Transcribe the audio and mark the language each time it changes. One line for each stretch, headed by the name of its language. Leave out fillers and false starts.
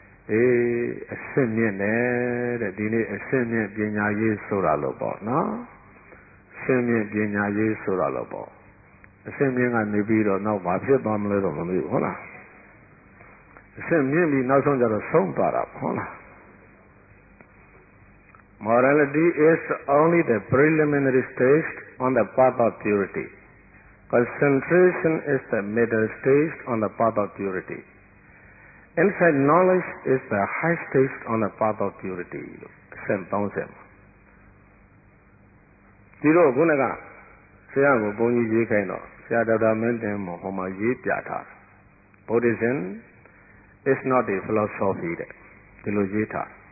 Burmese: အေးအဆင့်မြင့်တယ်တဲ့ဒီနေ့အဆင့်မြင့်ပညာရေးဆိုတာလို့ပေါ့နော်အဆင့်မြင့်ပညာရေးဆိုတာလို့ပေါ့အဆင့်မြင့်ကနေပြီးတော့နောက်ဘာဖြစ်သွားမလဲတော့မသိဘူးဟုတ်လားအဆင့်မြင့်ပြီးနောက်ဆုံးကျတော့ဆုံးသွားတာဟုတ်လား
English: Morality is only the preliminary stage on the path of purity. Concentration is the middle stage on the path of purity. Insight knowledge is the high stage on the path of purity.
Burmese: အဆင့်30ဒီတော့ခုနကဆရာကိုဘုန်းကြီးရေးခိုင်းတော့ဆရာဒေါက်တာမင်းတင်မဟိုမှာရေးပြထား
English: Buddhism is not a philosophy
Burmese: တဲ့ဒီလိုရေးထား